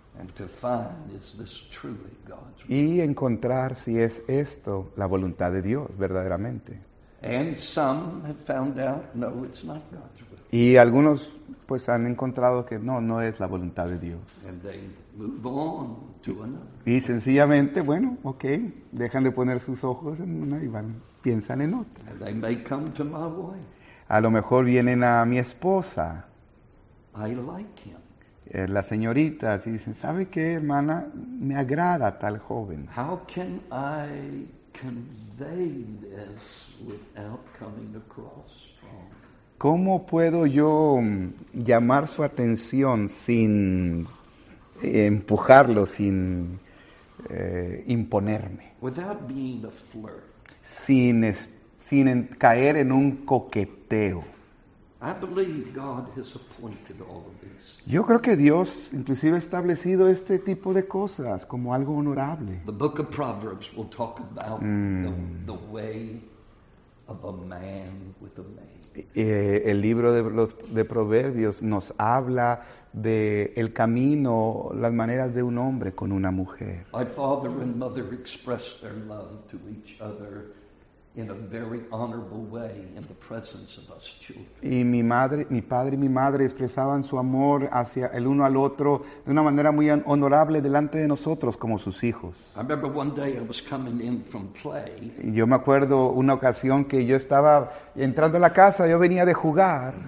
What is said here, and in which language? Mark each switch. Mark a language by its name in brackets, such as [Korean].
[English] And to find, is this truly God's will? [Spanish] Y encontrar si es esto la voluntad de Dios, verdaderamente. [English] And some have found out, no, it's not God's will. [Spanish] Y algunos pues han encontrado que no, no es la voluntad de Dios. [English] And they move on to another. [Spanish] Y sencillamente, bueno, ok, dejan de poner sus ojos en una y van, piensan en otra. [English] And they may come to my wife. [Spanish] A lo mejor vienen a mi esposa. [English] I like him. [Spanish] La señorita, así dicen, ¿sabe qué, hermana? Me agrada tal joven. [English] How can I convey this without coming across strong? [Spanish] ¿Cómo puedo yo llamar su atención sin empujarlo, sin imponerme? [English] Without being a flirt. [Spanish] Sin caer en un coqueteo. [English] I believe God has appointed all of these. [Spanish] Yo creo que Dios inclusive ha establecido este tipo de cosas como algo honorable. [English] The book of Proverbs will talk about the way of a man with a maid. [Spanish] El libro de Proverbios nos habla de el camino, las maneras de un hombre con una mujer. [English] My father and mother expressed their love to each other in a very honorable way in the presence of us children. [Spanish] Y mi padre y mi madre expresaban su amor hacia el uno al otro de una manera muy honorable delante de nosotros como sus hijos. [English] I remember one day I was coming in from play. [Spanish] Yo me acuerdo una ocasión que yo estaba entrando a la casa, yo venía de jugar.